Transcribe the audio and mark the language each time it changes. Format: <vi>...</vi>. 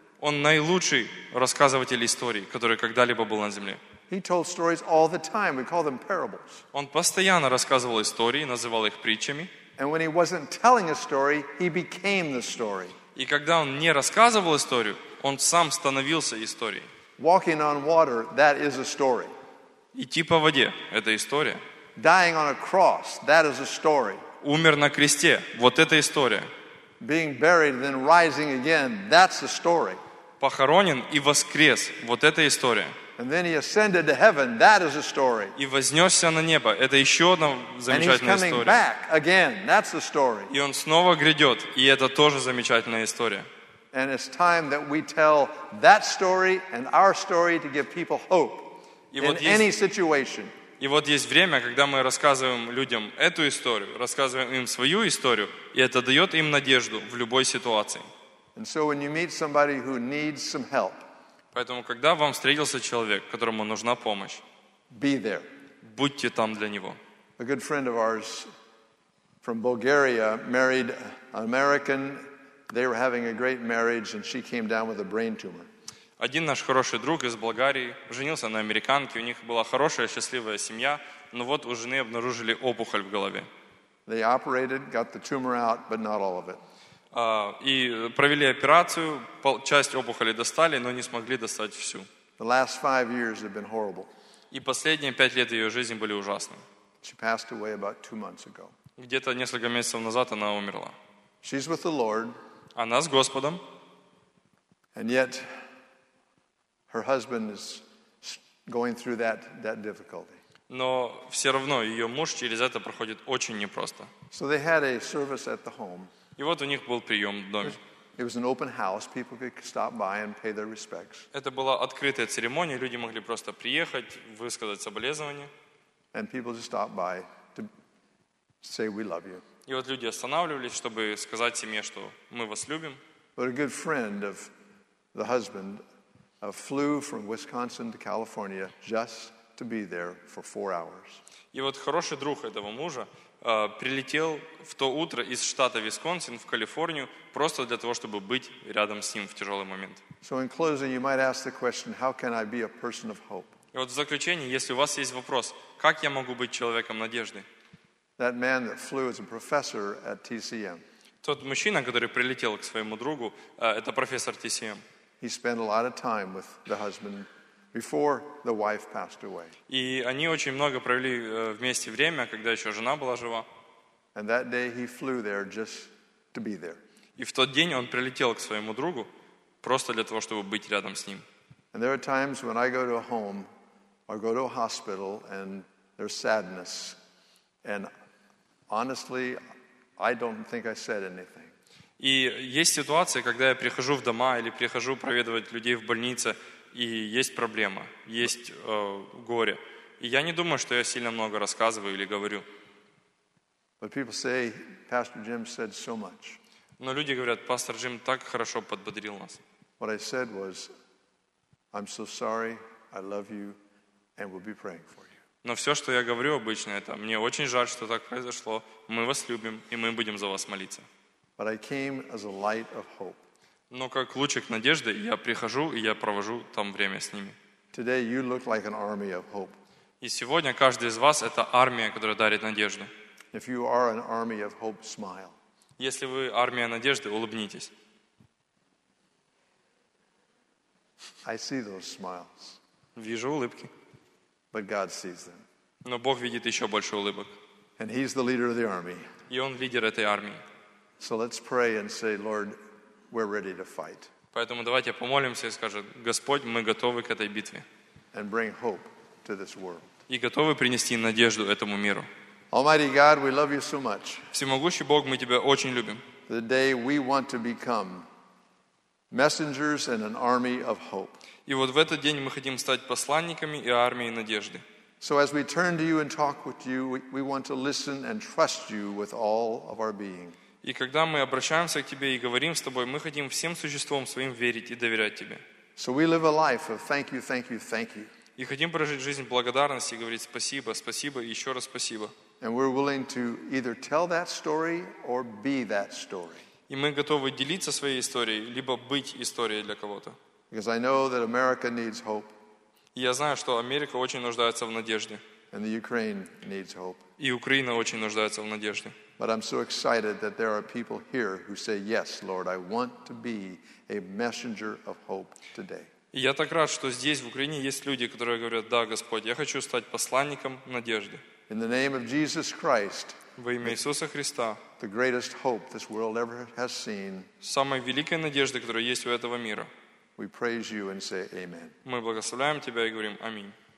<ru>Он наилучший рассказыватель историй, который когда-либо был на земле.</ru> <en>He told stories all the time. We call them parables.</en> <ru>Он постоянно рассказывал истории, называл их притчами.</ru> <en>And when he wasn't telling a story, he became the story.</en> <ru>И когда он не рассказывал историю, он сам становился историей.</ru> <en>Walking on water, that is a story.</en> <ru>Идти по воде — это история.</ru> <en>Dying on a cross, that is a story.</en> <ru>Умер на кресте — вот это история.</ru> <en>Being buried and then rising again, that's a story.</en> <ru>Похоронен и воскрес — вот это история.</ru> <en>And then he ascended to heaven. That is a story.</en> <ru>И вознесся на небо. Это еще одна замечательная история.</ru> <en>And he's coming back again. That's a story.</en> <ru>И он снова грядет. И это тоже замечательная история.</ru> <en>And it's time that we tell that story and our story to give people hope in any situation.</en> <ru>И вот есть время, когда мы рассказываем людям эту историю, рассказываем им свою историю, и это дает им надежду в любой ситуации.</ru> <en>And so when you meet somebody who needs some help,</en> <ru>поэтому, когда вам встретился человек, которому нужна помощь, будьте там для него.</ru> <en>A good friend of ours from Bulgaria married an American. They were having a great marriage, and she came down with a brain tumor.</en> <ru>Один наш хороший друг из Болгарии женился на американке. У них была хорошая, счастливая семья, но вот у жены обнаружили опухоль в голове.</ru> <en>They operated, got the tumor out, but not all of it.</en> <ru>И провели операцию, часть опухоли достали, но не смогли достать всю.</ru> <en>The last 5 years have been horrible.</en> <ru>И последние 5 лет ее жизни были ужасны.</ru> <en>She passed away about 2 months ago.</en> <ru>Где-то несколько месяцев назад она умерла.</ru> <en>She's with the Lord.</en> <ru>Она с Господом.</ru> <en>And yet, her husband is going through that difficulty.</en> <ru>Но все равно ее муж через это проходит очень непросто.</ru> <en>So they had a service at the home.</en> <ru>И вот у них был прием в доме.</ru> <en>It was an open house. People could stop by and pay their respects.</en> <ru>Это была открытая церемония. Люди могли просто приехать, высказать соболезнования.</ru> <en>And people just stopped by to say we love you.</en> <ru>И вот люди останавливались, чтобы сказать семье, что мы вас любим.</ru> <en>But a good friend of the husband flew from Wisconsin to California just to be there for 4 hours.</en> <ru>И вот хороший друг этого мужа прилетел в то утро из штата Висконсин в Калифорнию просто для того, чтобы быть рядом с ним в тяжелый момент.</ru> <en>So in closing, you might ask the question, how can I be a person of hope?</en> <ru>И вот в заключение, если у вас есть вопрос, как я могу быть человеком надежды?</ru> <en>That man that flew is a professor at TCM.</en> <ru>Тот мужчина, который прилетел к своему другу, это профессор TCM.</ru> <en>He spent a lot of time with the husband before the wife passed away.</en> <ru>И они очень много провели вместе время, когда еще жена была жива.</ru> <en>And that day he flew there just to be there.</en> <ru>И в тот день он прилетел к своему другу просто для того, чтобы быть рядом с ним.</ru> <en>And there are times when I go to a home or go to a hospital and there's sadness. And honestly, I don't think I said anything.</en> <ru>И есть ситуации, когда я прихожу в дома или прихожу проведывать людей в больнице, и есть проблема, есть горе. И я не думаю, что я сильно много рассказываю или говорю.</ru> <en>But people say, Pastor Jim said so much.</en> <ru>Но люди говорят, пастор Джим так хорошо подбодрил нас.</ru> <en>What I said was, I'm so sorry, I love you, and we'll be praying for you.</en> <ru>Но все, что я говорю обычно, это мне очень жаль, что так произошло. Мы вас любим, и мы будем за вас молиться.</ru> <en>But I came as a light of hope.</en> <ru>Но как лучик надежды, я прихожу, и я провожу там время с ними.</ru> <en>Today you look like an army of hope.</en> <ru>И сегодня каждый из вас — это армия, которая дарит надежду.</ru> <en>If you are an army of hope, smile.</en> <ru>Если вы армия надежды, улыбнитесь.</ru> <en>I see those smiles.</en> <ru>Вижу улыбки.</ru> <en>But God sees them.</en> <ru>Но Бог видит еще больше улыбок.</ru> <en>And he's the leader of the army.</en> <ru>И он лидер этой армии.</ru> <en>So let's pray and say, Lord, we're ready to fight.</en> <ru>Поэтому давайте помолимся и скажем: Господь, мы готовы к этой битве.</ru> <en>And bring hope to this world.</en> <ru>И готовы принести надежду этому миру.</ru> <en>Almighty God, we love you so much.</en> <ru>Всемогущий Бог, мы тебя очень любим.</ru> <en>The day we want to become messengers and an army of hope.</en> <ru>И вот в этот день мы хотим стать посланниками и армией надежды.</ru> <en>So as we turn to you and talk with you, we want to listen and trust you with all of our being.</en> <ru>И когда мы обращаемся к тебе и говорим с тобой, мы хотим всем существом своим верить и доверять тебе.</ru> <en>So we live a life of thank you, thank you, thank you.</en> <ru>И хотим прожить жизнь благодарности и говорить спасибо, спасибо и еще раз спасибо.</ru> <en>And we're willing to either tell that story or be that story.</en> <ru>И мы готовы делиться своей историей либо быть историей для кого-то.</ru> <en>Because I know that America needs hope.</en> <ru>Я знаю, что Америка очень нуждается в надежде.</ru> <en>And the Ukraine needs hope.</en> <ru>И Украина очень нуждается в надежде.</ru> <en>But I'm so excited that there are people here who say, "Yes, Lord, I want to be a messenger of hope today."</en> <ru>И я так рад, что здесь, в Украине, есть люди, которые говорят: «Да, Господь, я хочу стать посланником надежды».</ru> <en>In the name of Jesus Christ,</en> <ru>во имя Иисуса Христа,</ru> <en>the greatest hope this world ever has seen,</en> <ru>самой великой надежды, которая есть у этого мира,</ru> <en>we praise you and say amen.</en> <ru>Мы благословляем тебя и говорим аминь.</ru>